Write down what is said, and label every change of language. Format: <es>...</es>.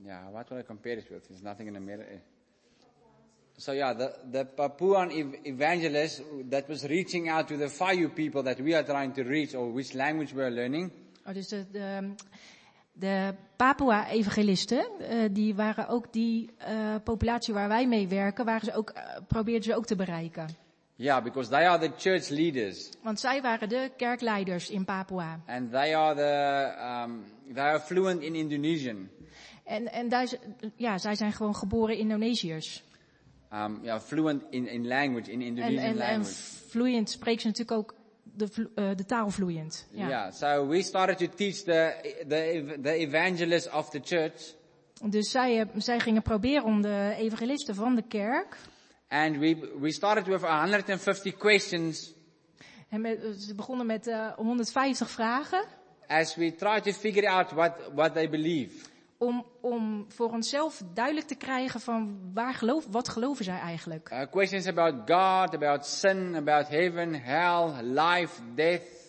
<en>What will I compare it with? There's nothing in America. So yeah, the Papuan evangelist that was reaching out to the Fayu people that we are trying to reach, or which language we are learning.</en> <nl>Oh, dus de Papua evangelisten, die waren ook die populatie waar wij mee werken, probeerden ze ook te bereiken.</nl> <en>Yeah, because they are the church leaders.</en> <nl>Want zij waren de kerkleiders in Papua.</nl> <en>And they are the they are fluent in Indonesian.</en> <nl>En daar, ja, zij zijn gewoon geboren Indonesiërs.</nl> <en>Ja, fluent in language, in Indonesian language.</en> <nl>En vloeiend spreekt ze natuurlijk ook de taal vloeiend. Ja,</nl> <en>yeah, so we started to teach the evangelists of the church.</en> <nl>Dus zij gingen proberen om de evangelisten van de kerk.</nl> <en>And we started with 150 questions.</en> <nl>En ze begonnen met 150 vragen.</nl> <en>As we tried to figure out what they believe.</en> <nl>Om voor onszelf duidelijk te krijgen van wat geloven zij eigenlijk?</nl> <en>Questions about God, about sin, about heaven, hell, life, death.</en>